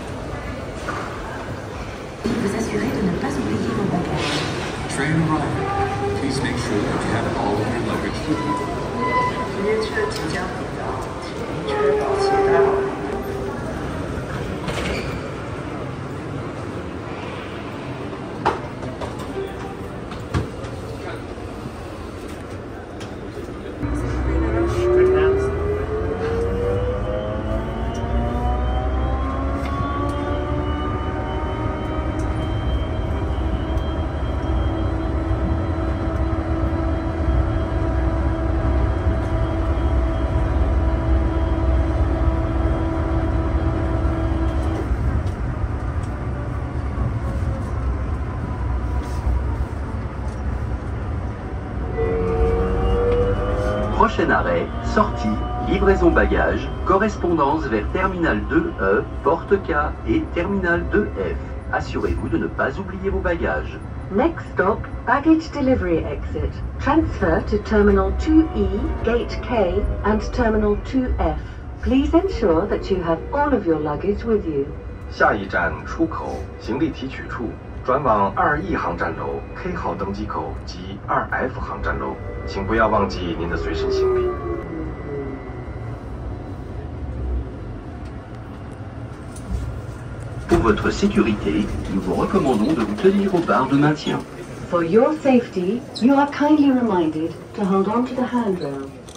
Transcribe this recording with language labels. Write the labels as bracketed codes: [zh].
[fr] vous assurer de ne pas oublier vos bagages. [en] Train arrive. Please make sure that you have all of your luggage with you. [fr] Prochain arrêt, sortie, livraison bagages, correspondance vers terminal 2E, porte K et terminal 2F. Assurez-vous de ne pas oublier vos bagages. [en] Next stop, baggage delivery exit. Transfer to terminal 2E, gate K and terminal 2F. Please ensure that you have all of your luggage with you. [zh] 下一站出口, 行李提取处, 转往 2E 航站楼, K 号登机口 及 2F 航站楼。请不要忘记您的随身行李。 [fr] Pour votre sécurité, nous vous recommandons de vous tenir aux barres de maintien. [en] For your safety, you are kindly reminded to hold on to the handrail.